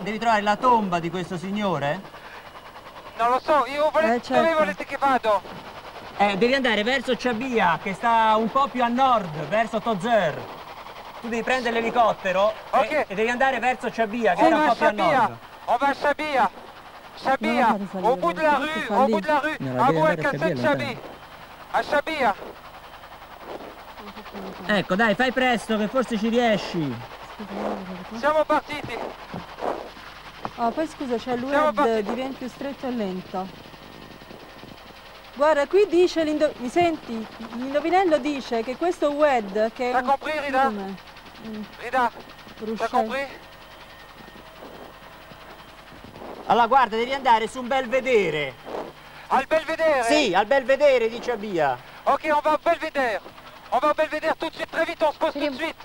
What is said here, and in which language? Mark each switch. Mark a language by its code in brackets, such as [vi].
[it] Devi trovare la tomba di questo signore? Non lo so, io volete, certo. Dove volete che vado? Devi andare verso Shabia, che sta un po' più a nord, verso Tozer. Tu devi prendere l'elicottero, okay, e devi andare verso Shabia, che sta un po' Shabia, più a nord. [fr] On va Shabia! Shabia, au bout de la rue, au bout de la rue, à vous et Qasem Shabi, à Shabia. [it] Ecco, dai, fai presto che forse ci riesci. Siamo partiti. Oh, poi scusa, c'è lui che diventa più stretto e lento. Guarda, qui dice, mi senti? L'indovinello dice che questo Ued, che... [fr] T'ha compris, Rida? Rida, t'ha compris? [it] Allora, guarda, devi andare su un belvedere. Al belvedere? Sì, al belvedere, dice Abia. [fr] Ok, on va al belvedere. On va al belvedere tout de suite, très vite, on se pose tout de suite.